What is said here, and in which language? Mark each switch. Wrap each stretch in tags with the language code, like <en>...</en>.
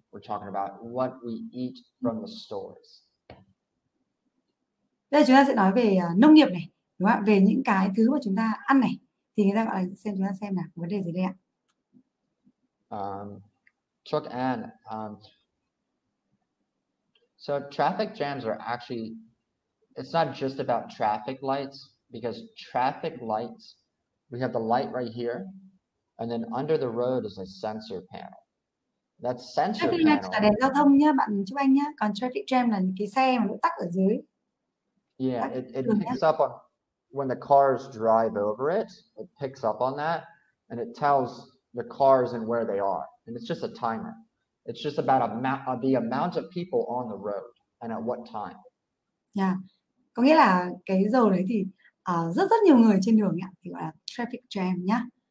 <en>We're talking about what we eat from the stores.</en> <vi>Đây chúng ta sẽ nói về nông nghiệp này. Đúng không ạ? Về những cái thứ mà chúng ta ăn này thì người ta gọi là chúng ta xem là vấn đề gì đây ạ?</vi> <en>Chuck Ann, so traffic jams are actually, it's not just about traffic lights, because traffic lights, we have the light right here, and then under the road is a sensor panel. That sensor panel.</en> <vi>Traffic là đèn giao thông nhá, bạn Chuck Ann nhá. Còn traffic jam là cái xe mà nó tắc ở dưới.</vi> <en>Yeah, it picks up on when the cars drive over it. It picks up on that and it tells the cars and where they are. And it's just a timer. It's just about the amount of people on the road and at what time. Yeah.</en> <vi>Có nghĩa là cái giờ đấy thì rất rất nhiều người trên đường nhá, thì gọi là traffic jam nhá.</vi>